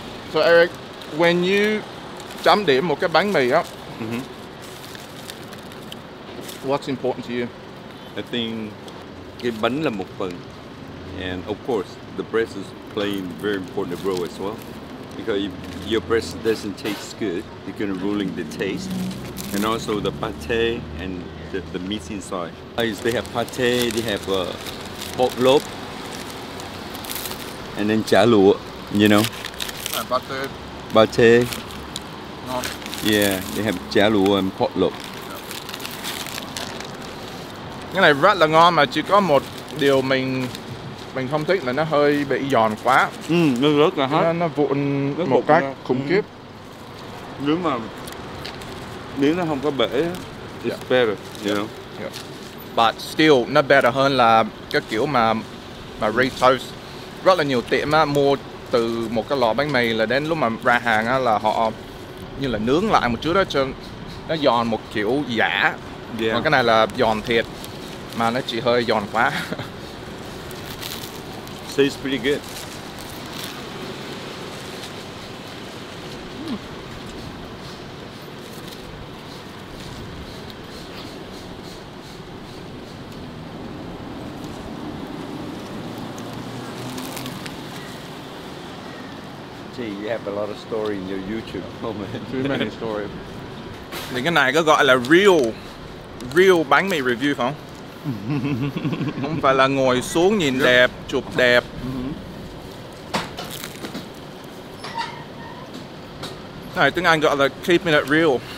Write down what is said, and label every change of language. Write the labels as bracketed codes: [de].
[en] So Eric, when you chấm điểm một cái bánh mì á, what's important to you? I think cái bánh là một phần, and of course the bread is playing very important role as well. Because if your bread doesn't taste good, you're gonna ruin the taste. And also the pate and the meat inside. They have pate, they have pork lop, and then chả lụa, you know. Pate. Yeah, they have chả lụa and pot lộc. [vi] Cái này rất là ngon mà chỉ có một điều mình mình không thích là nó hơi bị giòn quá. Ừ, nó rớt là hết. Nó vụn một cách ra. Khủng khiếp. Nếu mà nếu nó không có bể, it's better, you know. [en] Yeah. [vi] But still, nó better hơn là cái kiểu mà retoast. Rất là nhiều tiệm á, mua từ một cái lò bánh mì là đến lúc mà ra hàng á, là họ như là nướng lại một chút đó cho nó giòn một kiểu giả. [en] Yeah. [vi] Còn cái này là giòn thiệt, mà nó chỉ hơi giòn quá. [en] Tastes pretty good. See, you have a lot of story in your YouTube. Oh man, too many stories. [vi] Thì cái này có gọi là real bánh mì review không? Không phải là ngồi xuống nhìn đẹp, chụp đẹp. Này tiếng Anh gọi là keeping it real.